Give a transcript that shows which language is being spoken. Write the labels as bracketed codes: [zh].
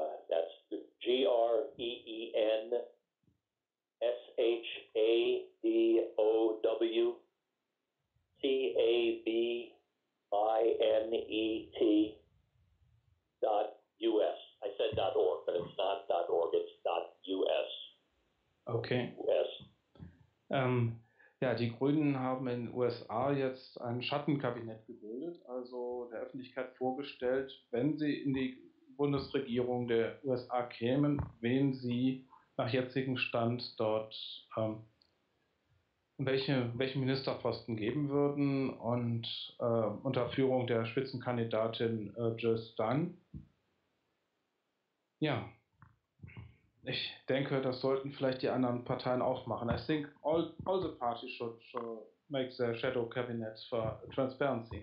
[en] That's greenshadowcabinet.us. I said .org, but it's not .org, it's .us. Okay. US. [de] Ja, die Grünen haben in den USA jetzt ein Schattenkabinett gebildet, also der Öffentlichkeit vorgestellt, wenn sie in die Bundesregierung der USA kämen, wen sie nach jetzigem Stand dort welche Ministerposten geben würden, und unter Führung der Spitzenkandidatin Jill Stein. Ja, ich denke, das sollten vielleicht die anderen Parteien auch machen. [en] I think all the parties should make the shadow cabinet for transparency.